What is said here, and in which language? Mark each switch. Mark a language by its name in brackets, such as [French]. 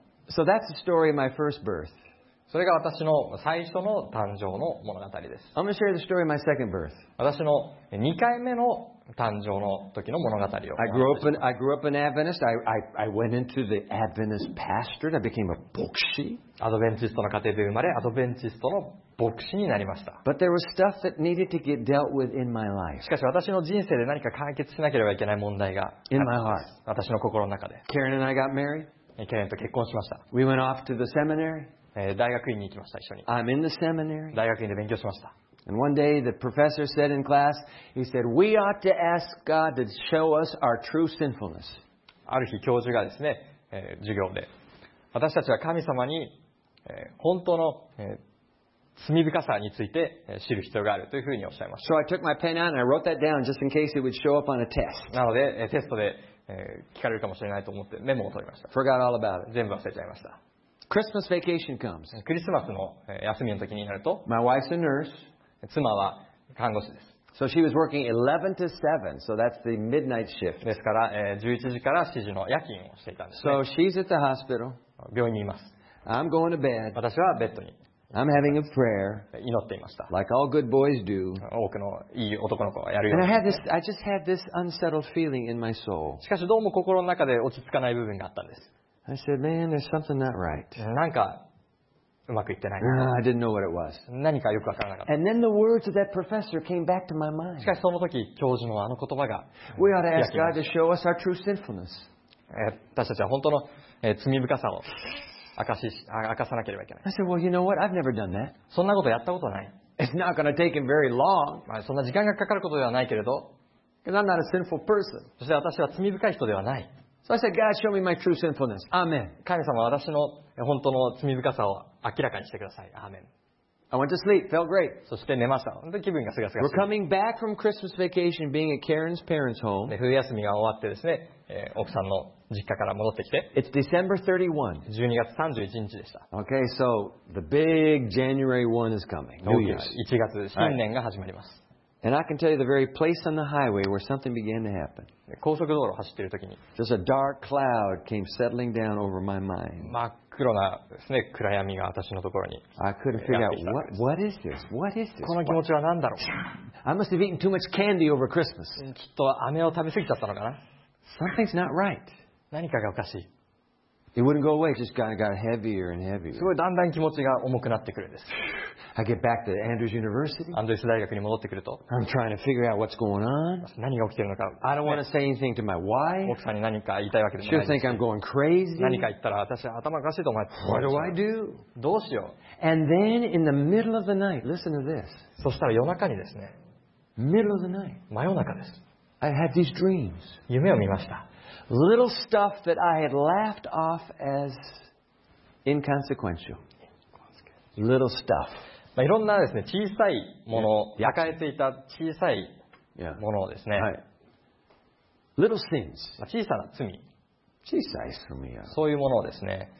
[English] So that's the story of my first birth. [Japanese] それが私の最初の誕生の物語です。 [English] I'm going to share the story of my second birth. [Japanese] 私の2回目の誕生の時の物語を。 [English] I grew up an Adventist. I went into the Adventist pastorate. I became a 牧師。 [Japanese] アドベンチストの家庭で生まれ、アドベンチストの牧師になりました。 [English] But there was stuff that needed to get dealt with in my life. [Japanese] しかし私の人生で何か解決しなければいけない問題が。 [English] In my heart. [Japanese] 私の心の中で。 [English] Karen and I got married. [Japanese] Karen と結婚しました。 [English] We went off to the seminary. [Japanese] 大学院に行きました、一緒に。 [English] I'm in the seminary. [Japanese] 大学院で勉強しました。 [English] And one day the professor said in class, he said, we ought to ask God to show us our true sinfulness. [Japanese] ある日教授がですね、授業で、私たちは神様に、本当の、罪深さについて知る必要があるというふうにおっしゃいました。 [English] So I took my pen out and I wrote that down just in case it would show up on a test. [Japanese] なのでテストで聞かれるかもしれないと思ってメモを取りました。 [English] Forgot all about it. [Japanese] 全部忘れちゃいました。 [English] Christmas vacation comes. [Japanese] クリスマスの休みの時になると [English] My wife's a nurse. [Japanese] 妻は看護師です。 [English] So she was working 11 to 7, so that's the midnight shift. [Japanese] ですから、11時から7時の夜勤をしていたんですね。 [English] So she's at the hospital. [Japanese] 病院にいます。 [English] I'm going to bed. [Japanese] 私はベッドに。 [English] I'm having a prayer. [Japanese] 祈っていました。 [English] Like all good boys do. [Japanese] 多くのいい男の子はやるように。 [English] And I just had this unsettled feeling in my soul. [Japanese] しかしどうも心の中で落ち着かない部分があったんです。 [English] I said, man, there's something not right. [Japanese] なんか、うまくいってないな。 [English] I didn't know what it was. [Japanese] 何かよくわからなかった。 [English] And then the words of that professor came back to my mind. [Japanese] しかしその時教授のあの言葉が、 [English] We ought to ask God to show us our true sinfulness. [Japanese] 私たちは本当の、罪深さを明かさなければいけない。 [English] I said, Well, you know what? I've never done that. [Japanese] そんなことやったことない。 [English] It's not going to take him very long. [Japanese] まあそんな時間がかかることではないけれど、 [English] Because I'm not a sinful person. [Japanese] そして私は罪深い人ではない。 [English] So I said, God, show me my true sinfulness. Amen. [Japanese] 神様、私の本当の罪深さを明らかにしてください。 [English] Amen. I went to sleep. Felt great. [Japanese] そして寝ました。で、気分がすがすが [English] し。We're coming back from Christmas vacation, being at Karen's parents' home. [Japanese] で、冬休みが終わってですね、奥さんの実家から戻ってきて。 [English] It's December 31. [Japanese] 12月31日でした。 [English] Okay, so the big January 1 is coming. New Year's. [Japanese] 1月、新年が始まります。 [English] Right. And I can tell you the very place on the highway where something began to happen. [Japanese] 高速道路を走っている時に、 [English] just a dark cloud came settling down over my mind. [Japanese] 真っ黒なですね、暗闇が私のところに。 [English] I couldn't figure out what is this? What is this? [Japanese] この気持ちは何だろう。 [English] I must have eaten too much candy over Christmas. [Japanese] ちょっと飴を食べ過ぎちゃったのかな。 [English] Something's not right. [Japanese] 何かがおかしい。 [English] It wouldn't go away. It just got heavier and heavier. [Japanese] すごいだんだん気持ちが重くなってくるんです。 [English] I get back to Andrews University. [Japanese] アンドリュース大学に戻ってくると、 [English] I'm trying to figure out what's going on. [Japanese] 何が起きているのか。 [English] I don't want to say anything to my wife. [Japanese] 奥さんに何か言いたいわけでもない。 [English] She'll think I'm going crazy. [Japanese] 何か言ったら私は頭おかしいと思います。 [English] What do I do? [Japanese] どうしよう。 [English] And then in the middle of the night, listen to this. [Japanese] そしたら夜中にですね。 [English] Middle of the night. [Japanese] 真夜中です。 [English] I had these dreams. [Japanese] 夢を見ました。 [English] Little stuff that I had laughed off as inconsequential. Little stuff. [Japanese] まあ、いろんなですね、小さいもの、焼かれていた小さいものですね。 [English] はい。Little sins. [Japanese] まあ、小さな罪。小さい罪や。そういうものをですね、